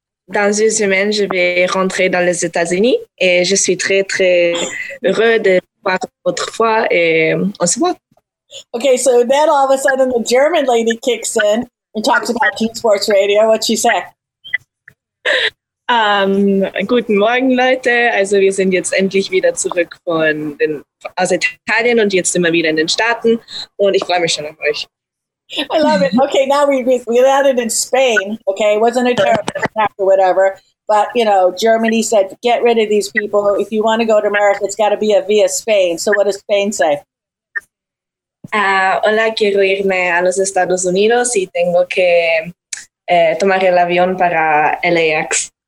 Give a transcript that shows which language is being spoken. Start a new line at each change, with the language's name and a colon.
French: Dans une semaine, je vais rentrer dans les États-Unis. Et je suis très, très heureux de voir votre fois. Et on se voit.
English: Okay, so then all of a sudden the German lady kicks in and talks about Teen Sports Radio. What'd she say?
German: Guten Morgen, Leute. Also, wir sind jetzt endlich wieder zurück aus Italien und jetzt sind wir wieder in den Staaten. Und ich freue mich schon auf euch.
English: I love it. Okay, now we landed in Spain. Okay, it wasn't a terrible attack or whatever. But, you know, Germany said, get rid of these people. If you want to go to America, it's got to be via Spain. So what does Spain say?
Spanish: Hola, quiero irme a los Estados Unidos y tengo que tomar el avión para LAX.